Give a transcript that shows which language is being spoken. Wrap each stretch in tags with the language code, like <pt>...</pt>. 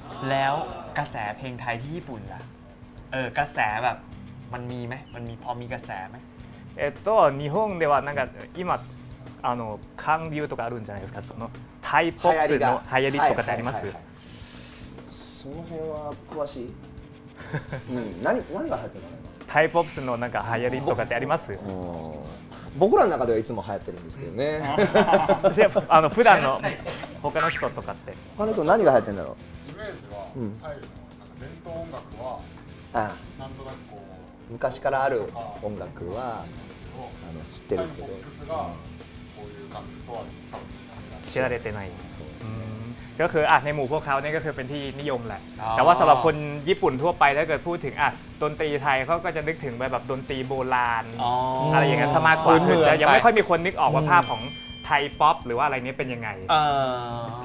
<th>แล้วกระแสเพลงไทยที่ญี่ปุ่นล่ะกระแสแบบมันมีไหมมันมีพอมีกระแสไหม</th> <ja>ญี่ปุ่นではなんか今あの韓流とかあるんじゃないですかそのタイポップスの流行りとかってあります？その辺は詳しい？何が流行ってるの？タイポップスのなんか流行りとかってあります？僕らの中ではいつも流行ってるんですけどね。あの普段の他の人とかって他の人何が流行ってるんだろう？イメージはタイのなんか伝統音楽はなんとなくこう昔からある音楽はあの知ってるけどタイポップスがこういう感じとは多分知られてない。</ja> <th>ก็คืออ่ะในหมู่พวกเขาเนี่ยก็คือเป็นที่นิยมแหละแต่ว่าสำหรับคนญี่ปุ่นทั่วไปถ้าเกิดพูดถึงอ่ะดนตรีไทยเขาก็จะนึกถึงแบบดนตรีโบราณอะไรอย่างเงี้ยมากกว่าคือ ยังไม่ค่อยมีคนนึกออกว่าภาพของไทยป๊อปหรือว่าอะไรนี้เป็นยังไง เ</th>